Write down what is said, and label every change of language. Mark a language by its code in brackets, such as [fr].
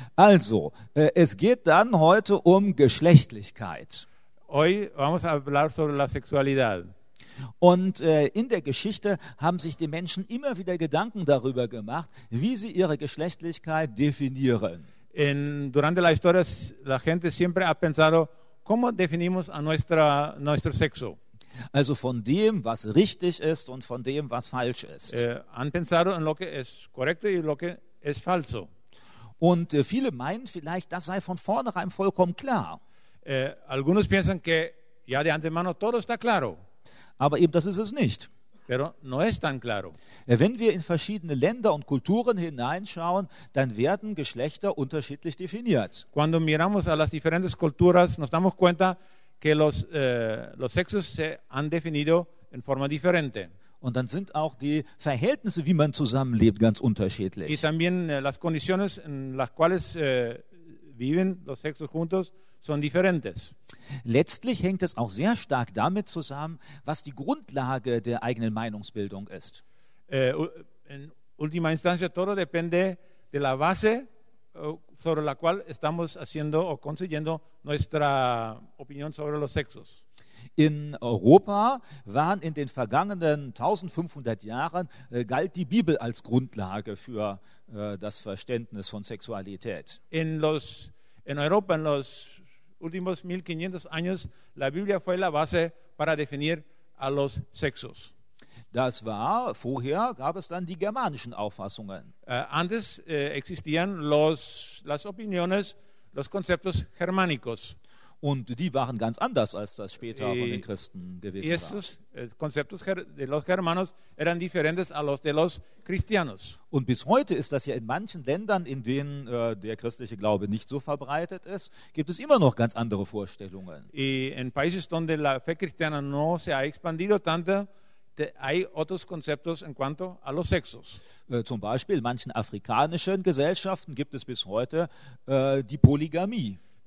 [de] Also, es geht dann heute um Geschlechtlichkeit. [es] Hoy vamos a hablar sobre la sexualidad. [de] Und in der Geschichte haben sich die Menschen immer wieder Gedanken darüber gemacht, wie sie ihre Geschlechtlichkeit definieren. [es] Durante la historia, la gente siempre ha pensado, ¿cómo definimos a nuestro sexo? [de] Also von dem, was richtig ist und von dem, was falsch ist. [es] Han pensado en lo que es correcto y lo que es falso. [de] Und viele meinen vielleicht, das sei von vornherein vollkommen klar. [es] Algunos piensan que ya de antemano todo está claro. [de] Aber eben das ist es nicht. [es] Pero no es tan claro. [de] Wenn wir in verschiedene Länder und Kulturen hineinschauen, dann werden Geschlechter unterschiedlich definiert. [es] Cuando miramos a las diferentes culturas, nos damos cuenta que los sexos se han definido en forma diferente. [de] Und dann sind auch die Verhältnisse, wie man zusammenlebt, ganz unterschiedlich. [es] Y también las condiciones en las cuales viven los sexos juntos son diferentes. [de] Letztlich hängt es auch sehr stark damit zusammen, was die Grundlage der eigenen Meinungsbildung ist. [es] En última instancia, todo depende de la base sobre la cual estamos haciendo o construyendo nuestra opinión sobre los sexos. [de] In Europa waren in den vergangenen 1500 Jahren galt die Bibel als Grundlage für das Verständnis von Sexualität. [es] In Europa in los últimos 1500 años la Biblia fue la base para definir a los sexos. [de] Das war vorher gab es dann die germanischen Auffassungen. [es] Antes existían las opiniones, los conceptos germánicos. [de] Und die waren ganz anders, als das später von den Christen gewesen war. [es] Esos conceptos de los germanos eran diferentes a los de los cristianos. [de] Und bis heute ist das ja in manchen Ländern, in denen der christliche Glaube nicht so verbreitet ist, gibt es immer noch ganz andere Vorstellungen. [es] Y en países donde la fe cristiana no se ha expandido tanto, hay otros conceptos en cuanto a los sexos. [de] Zum Beispiel in manchen afrikanischen Gesellschaften gibt es bis heute die Polygamie.